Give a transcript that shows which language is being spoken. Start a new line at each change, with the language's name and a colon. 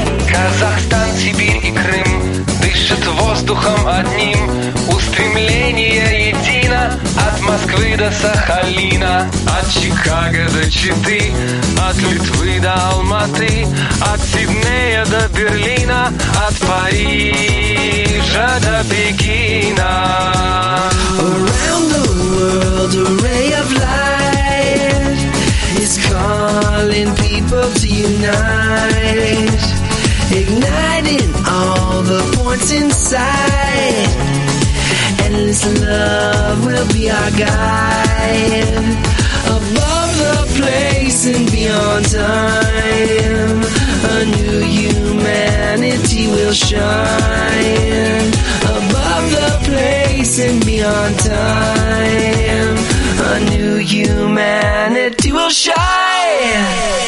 Russian: Kazakhstan, Sibir and Krim Дышит воздухом одним, устремление едино от Москвы до Сахалина, от Чикаго до Читы, от Литвы до Алматы, от Сиднея до Берлина, от Парижа до Пекина.
English: Around the world a ray of light is calling people to unite. Igniting all the points inside Endless love will be our guide Above the place and beyond time A new humanity will shine Above the place and beyond time A new humanity will shine